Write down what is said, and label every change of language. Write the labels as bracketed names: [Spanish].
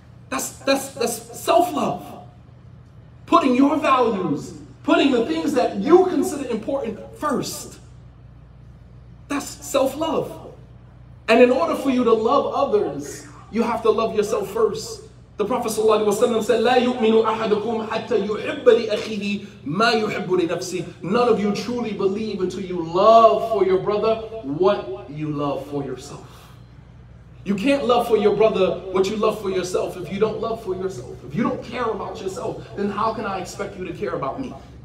[English] That's self-love. Putting your values, putting the things that you consider important first. That's self-love. And in order for you to love others, you have to love yourself first. The Prophet said, [Arabic] لا يؤمن أحدكم حتى يحب لأخيه ما يحب لنفسه. [English] None of you truly believe until you love for your brother what you love for yourself. You can't love for your brother what you love for yourself if you don't love for yourself. If you don't care about yourself, then how can I expect you to care about me?